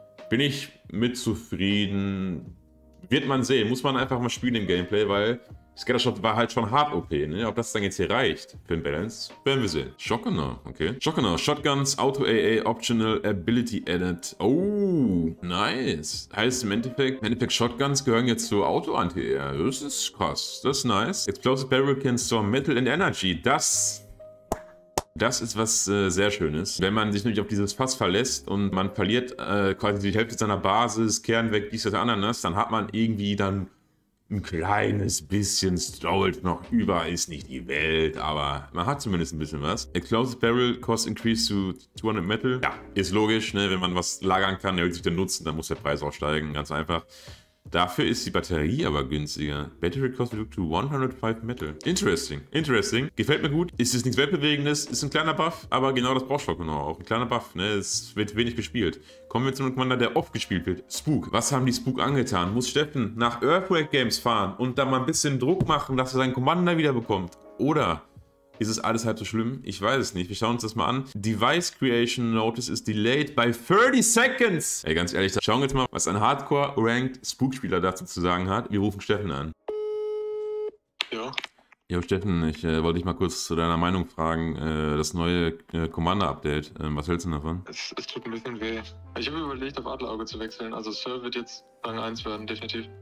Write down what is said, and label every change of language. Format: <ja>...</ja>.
<de>Bin ich mit zufrieden? Wird man sehen, muss man einfach mal spielen im Gameplay, weil Scattershot war halt schon hart OP, ne? Ob das dann jetzt hier reicht für den Balance, werden wir sehen. Shotgunner, okay.</de> <en>Shotgunner, Shotguns, Auto AA, Optional, Ability Added.</en> <de>Oh, nice. Heißt im Endeffekt Shotguns gehören jetzt zu Auto Anti-Air. Das ist krass, das ist nice.</de> <en>Explosive Barrel can store Metal and Energy.</en> <de>Das ist was sehr Schönes. Wenn man sich nämlich auf dieses Fass verlässt und man verliert quasi die Hälfte seiner Basis, Kern weg, dies, das, anderes, dann hat man irgendwie dann ein kleines bisschen Stolz noch über, ist nicht die Welt, aber man hat zumindest ein bisschen was.</de> <en>Explosive Barrel Cost Increase to 200 Metal.</en> <de>Ja, ist logisch, ne? Wenn man was lagern kann, erhöht sich der Nutzen, dann muss der Preis auch steigen, ganz einfach. Dafür ist die Batterie aber günstiger.</de> <en>Battery Cost Reduced to 105 Metal.</en> <de>Interesting. Gefällt mir gut. Ist es nichts Weltbewegendes, ist ein kleiner Buff, aber genau das braucht Shotgunner auch. Ein kleiner Buff, ne? Es wird wenig gespielt. Kommen wir zu einem Commander, der oft gespielt wird. Spook. Was haben die Spook angetan? Muss Steffen nach Earthquake Games fahren und da mal ein bisschen Druck machen, dass er seinen Commander wiederbekommt? Oder ist es alles halb so schlimm? Ich weiß es nicht. Wir schauen uns das mal an.</de> <en>Device Creation Notice is delayed by 30 seconds.</en> <de>Ey, ganz ehrlich, schauen wir jetzt mal, was ein Hardcore-Ranked Spook-Spieler dazu zu sagen hat. Wir rufen Steffen an. Ja. Jo, Steffen, ich wollte dich mal kurz zu deiner Meinung fragen. Das neue Commander-Update. Was hältst du davon? Es tut ein bisschen weh. Ich habe überlegt, auf Adlerauge zu wechseln. Also Sir wird jetzt Rang 1 werden, definitiv.</de>